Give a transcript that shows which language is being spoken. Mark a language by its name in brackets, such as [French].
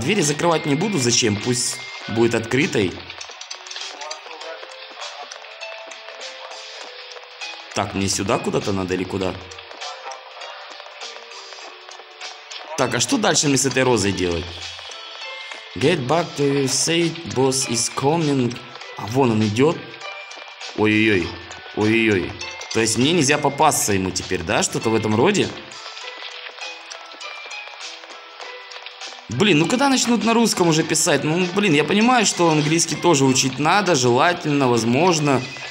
[Russian] Двери закрывать не буду, зачем? Пусть будет открытой. Так, мне сюда куда-то надо или куда? Так, а что дальше мне с этой розой делать? [English] Get back to your seat, boss is coming. [Russian] А вон он идет. Ой-ой-ой. Ой-ой-ой. То есть мне нельзя попасться ему теперь, да? Что-то в этом роде? Блин, ну когда начнут на русском уже писать? Ну, блин, я понимаю, что английский тоже учить надо, желательно, возможно.